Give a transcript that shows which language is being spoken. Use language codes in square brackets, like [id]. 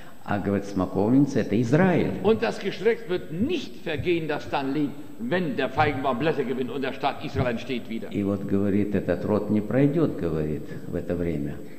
[ru] А говорит смоковница, это Израиль. [de] Und das Geschlecht wird nicht vergehen, das dann lebt, wenn der Feigenbaum Blätter gewinnt und der Staat Israel entsteht wieder. [ru] И вот говорит, этот род не пройдет, говорит, в это время.